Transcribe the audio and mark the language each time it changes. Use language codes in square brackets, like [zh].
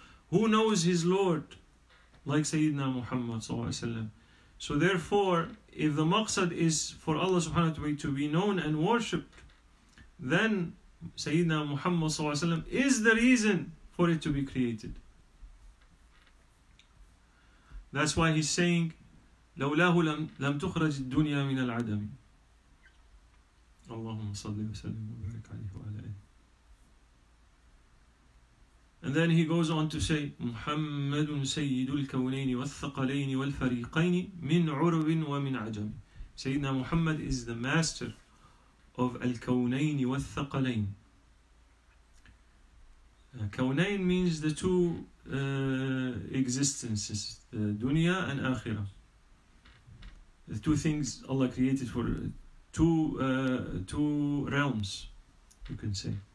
[en] Who knows his Lord like Sayyidina Muhammad sallallahu alayhi wa sallam? So therefore, if the maqsad is for Allah subhanahu wa ta'ala to be known and worshipped, then Sayyidina Muhammad sallallahu alayhi wa sallam is the reason for it to be created. That's why he's saying, [ar] لَوْلَاهُ لَمْ تُخْرَجِ الدُّنْيَا مِنَ الْعَدَمِ. اللهم صلِّ وسلم وبارك عليه وعلى آله. [en] And then he goes on to say, [ar] مُحَمَّدٌ سَيِّدُ الْكَوْنَيْنِ وَالثَّقَلَيْنِ وَالْفَرِيقَيْنِ مِنْ عُرْبٍ وَمِنْ عَجَمٍ. [en] Sayyidina Muhammad is the master of [ar] الْكَوْنَيْنِ وَالثَّقَلَيْنِ. [en] كَوْنَيْن means the two existences, the dunya and akhirah. The two things Allah created for two realms, you can say.